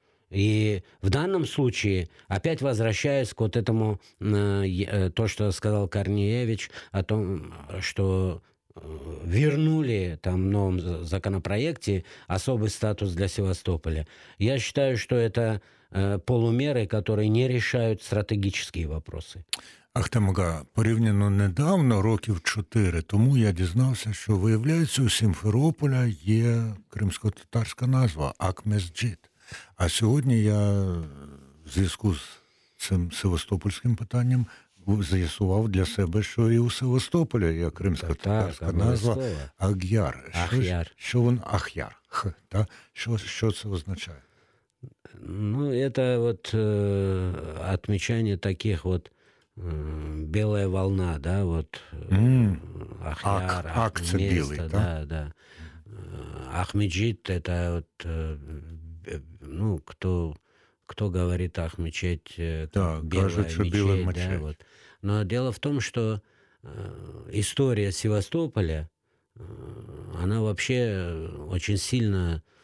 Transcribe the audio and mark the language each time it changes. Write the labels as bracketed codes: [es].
[ru] И в данном случае, опять возвращаясь к вот этому, то, что сказал Корнеевич о том, что вернули там в новом законопроекте особый статус для Севастополя. Я считаю, что это полумеры, которые не решают стратегические вопросы. [uk] Ахтемага, порівняно недавно, років 4 тому, я дізнався, що, виявляється, у Сімферополя є кримсько-татарська назва Акмезджит. А сьогодні я в зв'язку з цим севастопольським питанням з'ясував для себе, що і у Севастополя є кримсько-татарська назва Ахяр. Ахяр. Що він Ахяр? Та? Що це означає? Ну, це от отмічання таких от [ru] «Белая волна», да, вот, Ахьяр, Акцебилы, да? Да, да. Ахмеджит — это вот, ну, кто говорит Ахмечеть, да, белая, кажется, мечеть, белая мечеть. Да, вот. Но дело в том, что история Севастополя, она вообще очень сильно...